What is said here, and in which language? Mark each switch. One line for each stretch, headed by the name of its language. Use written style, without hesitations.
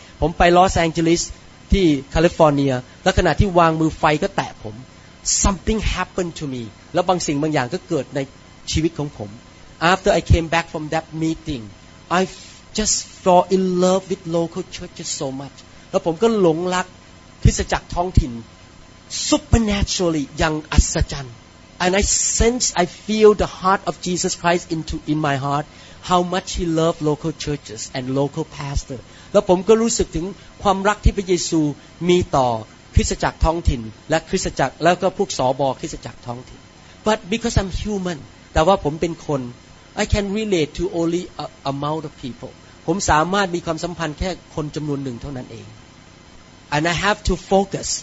Thai: ผมไปลอสแองเจลิสที่แคลิฟอร์เนียแล้วขณะที่วางมือไฟก็แตะผม
English: Something happened to me.
Thai: แล้วบางสิ่งบางอย่างก็เกิดในชีวิตของผม
English: After I came back from that meeting, I just fall in love with local churches so much
Thai: แล้วผมก็หลงรักคริสตจักรท้องถิ่น
English: supernaturally
Thai: อย่างอัศจรรย์
English: And I sense, I feel the heart of Jesus Christ in my heart, how much He loved local churches and local pastors.
Thai: แล้วผมก็รู้สึกถึงความรักที่พระเยซูมีต่อคริสตจักรท้องถิ่นและคริสตจักรแล้วก็พวกสบคริสตจักรท้องถิ่น
English: But because I'm human,
Thai: แต่ว่าผมเป็นคน
English: I can relate to only amount of people.
Thai: ผมสามารถมีความสัมพันธ์แค่คนจำนวนหนึ่งเท่านั้นเอง
English: And I have to focus.